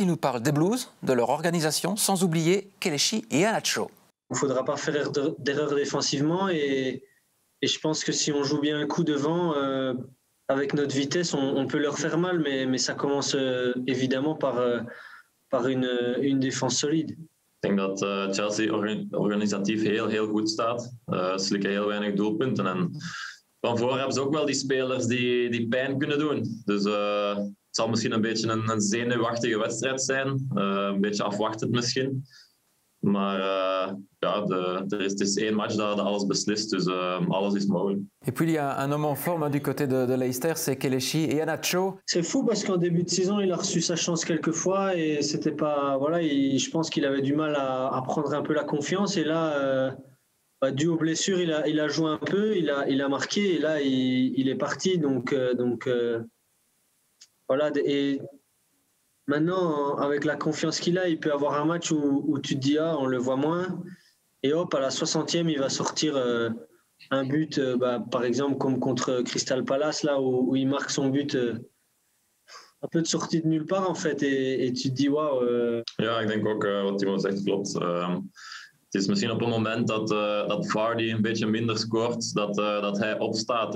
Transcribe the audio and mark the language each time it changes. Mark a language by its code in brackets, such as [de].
[fr] Ils nous parlent des Blues, de leur organisation, sans oublier Kelechi et Iheanacho. Il ne faudra pas faire d'erreur défensivement. Et je pense que si on joue bien un coup devant, avec notre vitesse, on peut leur faire mal. Mais ça commence évidemment par une défense solide. [nl] Ik denk dat Chelsea organisatief heel, heel goed staat. Ze slikken heel weinig doelpunten. Van voren hebben ze ook wel die spelers die pijn kunnen doen. Dus het zal misschien een beetje een zenuwachtige wedstrijd zijn. Een beetje afwachtend misschien. Maar het is één match dat alles beslist. Dus alles is mogelijk. [fr] En puis il y a un homme en forme du côté de Leicester, c'est Kelechi et Iheanacho. C'est fou parce qu'en début de saison, il a reçu sa chance quelques fois. Et c'était pas. Voilà, je pense qu'il avait du mal à prendre un peu la confiance. Et là. Dû aux blessures, il a joué un peu, il a marqué et là il est parti. Donc, voilà. Et maintenant, avec la confiance qu'il a, il peut avoir un match où tu te dis ah, on le voit moins. Et hop, à la 60e, il va sortir un but, par exemple, comme contre Crystal Palace, là où il marque son but un peu de sortie de nulle part en fait, et tu te dis waouh. [nl] Ja, ik denk ook wat Timo zegt klopt. Het is misschien op een moment dat Vardy een beetje minder scoort, dat hij opstaat.